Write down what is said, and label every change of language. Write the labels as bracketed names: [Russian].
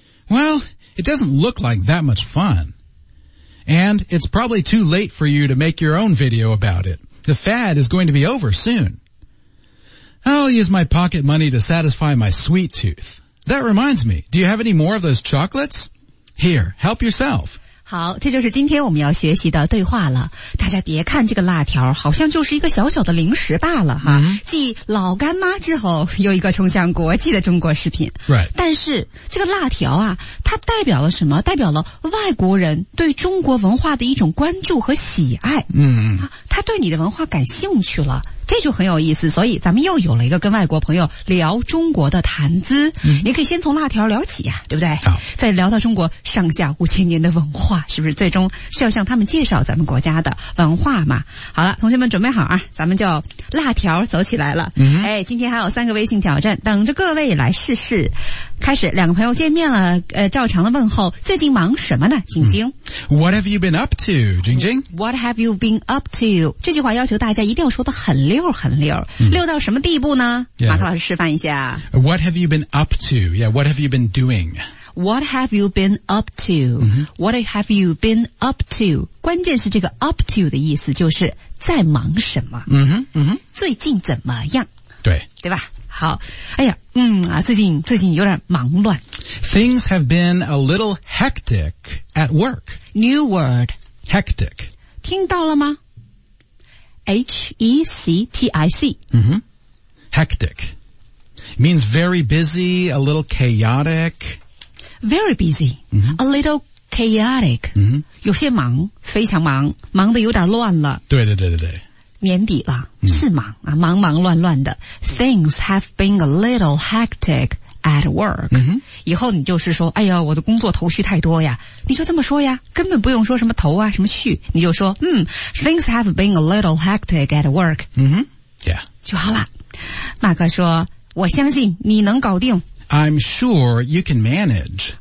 [English] Well, it doesn't look like that much fun. And it's probably too late for you to make your own video about it. The fad is going to be over soon. I'll use my pocket money to satisfy my sweet tooth. That reminds me, do you have any more of those chocolates? Here, help yourself. [Chinese] 好，这就是今天我们要学习的对话了。大家别看这个辣条好像就是一个小小的零食罢了哈，继老干妈之后又一个冲向国际的中国食品。 [English] Right. [Chinese] 但是这个辣条啊，它代表了什么？代表了外国人对中国文化的一种关注和喜爱。他对你的文化感兴趣了。这就很有意思，所以咱们又有了一个跟外国朋友聊中国的谈资。你可以先从辣条聊起呀，对不对？再聊到中国上下五千年的文化，是不是最终是要向他们介绍咱们国家的文化嘛？好了，同学们准备好啊，咱们就辣条走起来了。哎，今天还有三个微信挑战等着各位来试试。开始，两个朋友见面了，照常的问候，最近忙什么呢？晶晶。 [English] What have you been up to, 晶晶？ What have you been up to? [Chinese] 这句话要求大家一定要说得很溜很溜，溜到什么地步呢？ [English] Yeah. [Chinese] 马克老师示范一下。 [English] What have you been up to? Yeah, what have you been doing? What have you been up to?、What have you been up to? [Chinese] 关键是这个 up to 的意思就是在忙什么。最近怎么样？对。对吧？好，哎呀，最近有点忙乱。 [English] Things have been a little hectic at work. New word. Hectic. 听到了吗？H-E-C-T-I-C. Hectic. Means very busy, a little chaotic. Very busy. A little chaotic. [Chinese] 有些忙，非常忙，忙得有点乱了。对对对对对。年底了，是忙啊，忙忙乱乱的。 [English] Things have been a little hectic at work. [Chinese] 以后你就是说，哎呀，我的工作头绪太多呀。你就这么说呀，根本不用说什么头啊，什么绪，你就说， [English] things have been a little hectic at work. Yeah. [Chinese] 就好了。马克说，我相信你能搞定。 [English] I'm sure you can manage.